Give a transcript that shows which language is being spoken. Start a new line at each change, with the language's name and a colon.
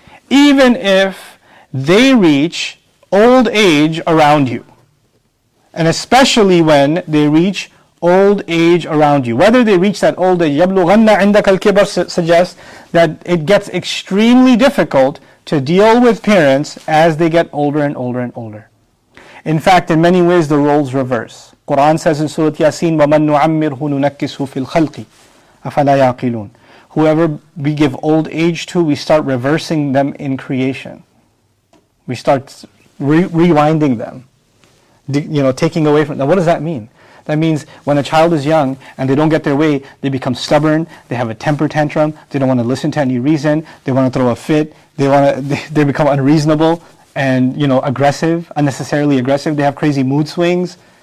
English: Even if they reach old age around you, and especially when they reach old age around you. Whether they reach that old age,
Arabic: يَبْلُغَنَّ عِنْدَكَ الْكِبَرِ
English: suggests that it gets extremely difficult to deal with parents as they get older and older and older. In fact, in many ways, the roles reverse. Quran says in Surah Yasin,
Arabic: وَمَنْ نُعَمِّرْهُ نُنَكِّسُهُ فِي الْخَلْقِ أَفَلَا يَعْقِلُونَ.
English: Whoever we give old age to, we start reversing them in creation. We start rewinding them. You know, taking away from them. Now what does that mean? That means when a child is young and they don't get their way, they become stubborn, they have a temper tantrum, they don't want to listen to any reason, they want to throw a fit, they become unreasonable and, you know, aggressive, unnecessarily aggressive, they have crazy mood swings.